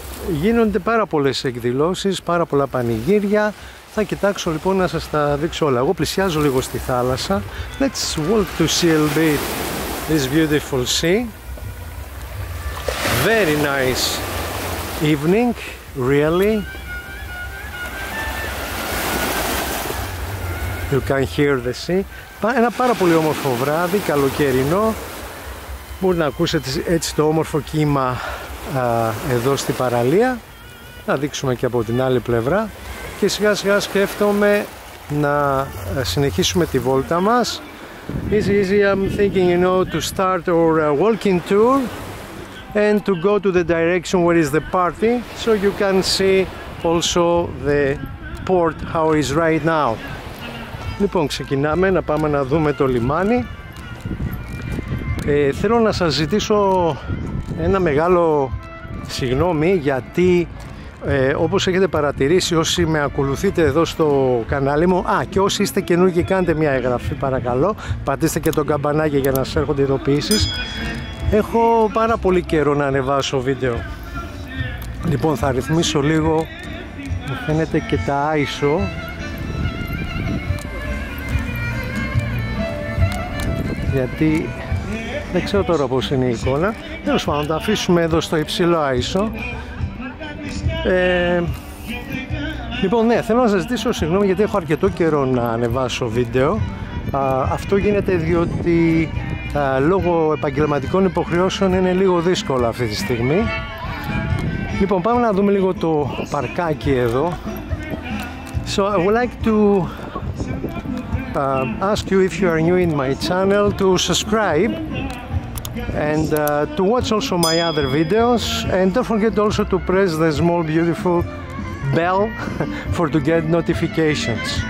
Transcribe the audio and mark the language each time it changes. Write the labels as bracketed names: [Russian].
[Greek] γίνονται πάρα πολλές εκδηλώσεις, πάρα πολλά πανηγύρια. Θα κοιτάξω λοιπόν να σας τα δείξω όλα. Εγώ πλησιάζω λίγο στη θάλασσα. [English] Let's walk to CLB, this beautiful sea. Very nice evening, really. You can hear the sea. [Greek] Ένα πάρα πολύ όμορφο βράδυ, καλοκαιρινό. Μπορεί να ακούσετε έτσι το όμορφο κύμα εδώ στη παραλία. Να δείξουμε και από την άλλη πλευρά. Και σιγά σιγά σκέφτομαι να συνεχίσουμε τη βόλτα μας. [English] Easy, I'm thinking, you know, to start our walking tour and to go to the direction where is the party, so you can see also the port how it is right now. [Greek] Λοιπόν, ξεκινάμε να πάμε να δούμε το λιμάνι. Θέλω να σας ζητήσω ένα μεγάλο συγγνώμη, γιατί όπως έχετε παρατηρήσει όσοι με ακολουθείτε εδώ στο κανάλι μου, και όσοι είστε καινούργοι, κάντε μια εγγραφή παρακαλώ, πατήστε και το καμπανάκι για να σας έρχονται ειδοποιήσεις. Έχω πάρα πολύ καιρό να ανεβάσω βίντεο. Λοιπόν, θα ρυθμίσω λίγο, μου φαίνεται και τα ISO. Γιατί δεν ξέρω τώρα πώς είναι η εικόνα. Τέλος πάντων, τα αφήσουμε εδώ στο υψηλό ISO. Λοιπόν, ναι, θέλω να σας ζητήσω συγγνώμη γιατί έχω αρκετό καιρό να ανεβάσω βίντεο. Αυτό γίνεται διότι λόγω επαγγελματικών υποχρεώσεων είναι λίγο δύσκολο αυτή τη στιγμή. Λοιπόν, πάμε να δούμε λίγο το παρκάκι εδώ. [English] So I would like to ask you, if you are new in my channel, to subscribe and to watch also my other videos, and don't forget also to press the small beautiful bell for to get notifications.